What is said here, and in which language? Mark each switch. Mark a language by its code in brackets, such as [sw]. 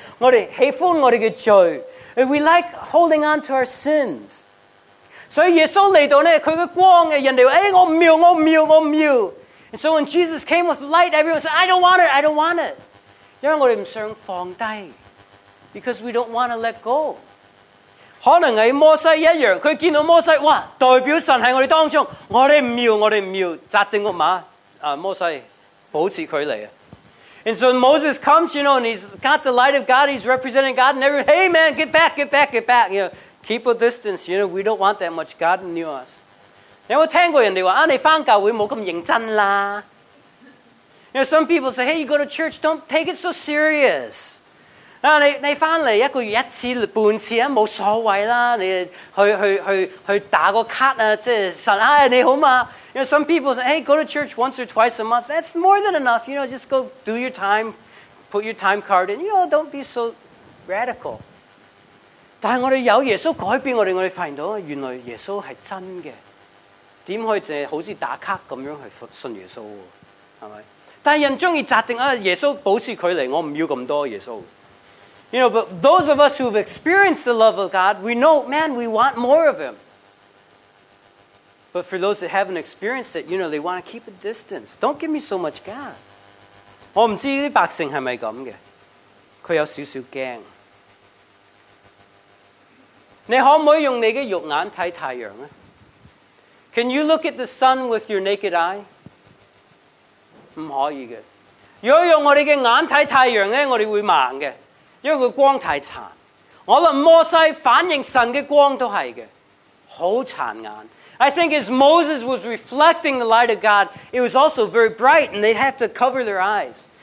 [yue] 我们喜欢我们的罪。 [en] We like holding on to our sins. [yue] 所以耶稣来到呢，他的光诶，人哋话：诶，我唔要，我唔要，我唔要。 [en] And so when Jesus came with light, everyone said, "I don't want it, I don't want it." [yue] 因为我哋唔想放低 ， [en] because we don't want to let go. [yue] 可能系摩西一样，佢见到摩西，哇，代表神喺我哋当中，我哋唔要，我哋唔要，扎定个马啊，摩西保持距离啊。 [en] And so Moses comes, you know, and he's got the light of God. He's representing God, and everyone, "Hey, man, get back, get back, get back." You know. Keep a distance, you know, we don't want that much God in us. [yue] 你有没有听过人家说、啊、你回教会没那么认真啦。 You know, some people say, hey, you go to church, don't take it so serious. 你回来一个月一次半次没所谓啦。你 去打个卡、啊、即神、哎、你好吗？ [en] You know, some people say, hey, go to church once or twice a month. That's more than enough. You know, just go do your time, put your time card in. You know, don't be so radical. [yue] 但我哋有耶稣改变我哋，我哋发现到原来耶稣系真嘅，点可以净系好似打卡咁样去信耶稣？系咪？但系人中意扎定啊，耶稣保持距离，我唔要咁多耶稣。 [en] You know, but those of us who've experienced the love of God, we know, man, we want more of Him. But for those that haven't experienced it, you know, they want to keep a distance. Don't give me so much God. [yue] 我唔知啲百姓系咪咁嘅，佢有少少惊。你可唔可以用你嘅肉眼睇太阳咧 [en] ？Can you look at the sun with your naked eye？ [yue] 唔可以嘅。如果用我哋嘅眼睇太阳咧，我哋会盲嘅，因为佢光太残。我谂摩西反映神嘅光都系嘅，好残眼。 [en] I think as Moses was reflecting the light of God, it was also very bright, and they'd have to cover their eyes，